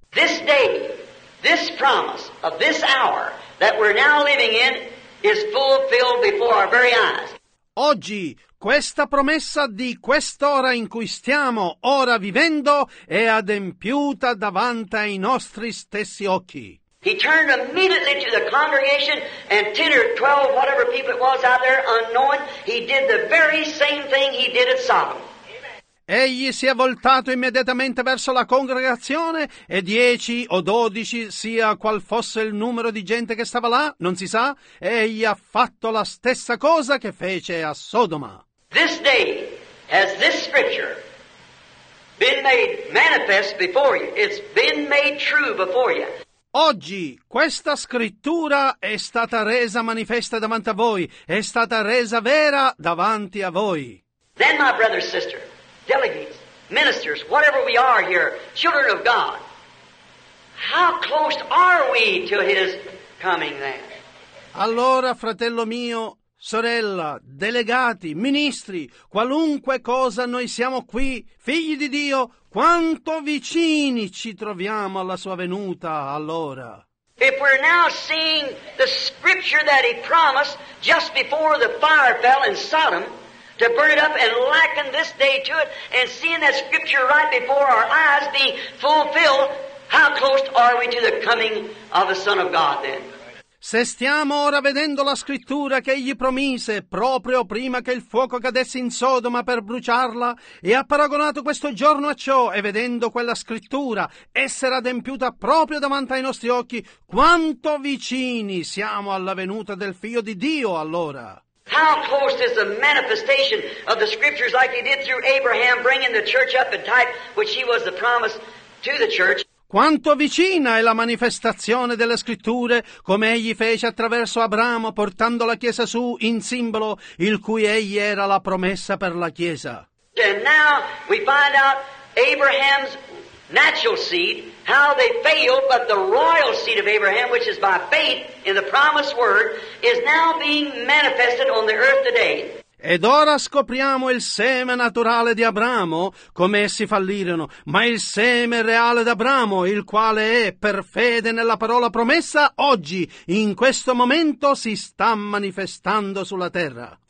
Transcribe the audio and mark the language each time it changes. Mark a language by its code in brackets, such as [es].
[en] This day, this promise of this hour that we're now living in is fulfilled before our very eyes. [it] Oggi, questa promessa di quest'ora in cui stiamo ora vivendo è adempiuta davanti ai nostri stessi occhi. [en] He turned immediately to the congregation and 10 or 12, whatever people it was out there, unknowing, he did the very same thing he did at Sodom. [it] Egli si è voltato immediatamente verso la congregazione e 10 o 12, sia qual fosse il numero di gente che stava là, non si sa, egli ha fatto la stessa cosa che fece a Sodoma. [en] This day has this scripture been made manifest before you. It's been made true before you. [it] Oggi questa scrittura è stata resa manifesta davanti a voi, è stata resa vera davanti a voi. [en] Then my brother, sister, delegates, ministers, whatever we are here, children of God, how close are we to His coming then? [it] Allora, fratello mio, sorella, delegati, ministri, qualunque cosa noi siamo qui, figli di Dio, quanto vicini ci troviamo alla sua venuta allora? [en] If we're now seeing the scripture that He promised just before the fire fell in Sodom, to burn it up and liken this day to it, and seeing that scripture right before our eyes being fulfilled, how close are we to the coming of the Son of God then? [it] Se stiamo ora vedendo la scrittura che egli promise proprio prima che il fuoco cadesse in Sodoma per bruciarla, e ha paragonato questo giorno a ciò, e vedendo quella scrittura essere adempiuta proprio davanti ai nostri occhi, quanto vicini siamo alla venuta del Figlio di Dio allora? [en] How close is the manifestation of the scriptures like he did through Abraham bringing the church up in type which he was the promise to the church? [it] Quanto vicina è la manifestazione delle scritture come egli fece attraverso Abramo portando la chiesa su in simbolo il cui egli era la promessa per la chiesa? [en] And now we find out Abraham's natural seed, how they failed, but the royal seed of Abraham, which is by faith in the promised word, is now being manifested on the earth today. [it] Ed ora scopriamo il seme naturale di Abramo, come essi fallirono, ma il seme reale di Abramo, il quale è per fede nella parola promessa, oggi, in questo momento, si sta manifestando sulla terra.